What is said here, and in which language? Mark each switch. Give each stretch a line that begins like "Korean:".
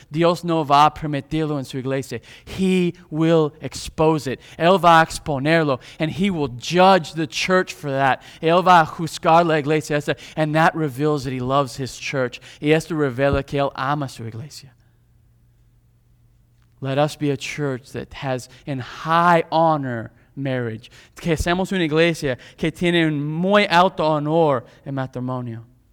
Spanish: Dios no va a permitirlo en su iglesia.
English: He will expose it.
Spanish: Él va a exponerlo.
English: And He will judge the church for that.
Spanish: Él va a juzgar la iglesia.
English: And that reveals that He loves His church.
Spanish: Y esto revela que Él ama su iglesia.
English: Let us be a church that has in high honor marriage.
Spanish: Que seamos una iglesia que tiene un muy alto honor en matrimonio.